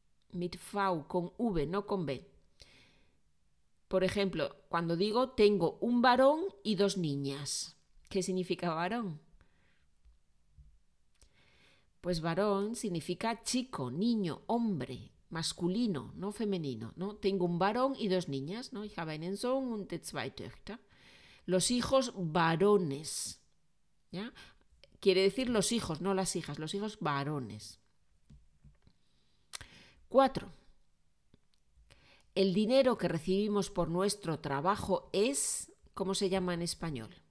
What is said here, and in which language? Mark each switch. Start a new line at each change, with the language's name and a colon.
German: Mit V,
Spanish: con V, no con B. Por ejemplo, cuando digo tengo un varón y dos niñas, ¿qué significa varón? Pues varón significa chico, niño, hombre, masculino, no femenino, ¿no? Tengo un varón y dos niñas, ¿no?
German: Ich habe einen Sohn und zwei Töchter.
Spanish: Los hijos varones, ¿ya? Quiere decir los hijos, no las hijas, los hijos varones. Cuatro. El dinero que recibimos por nuestro trabajo es, ¿cómo se llama en español?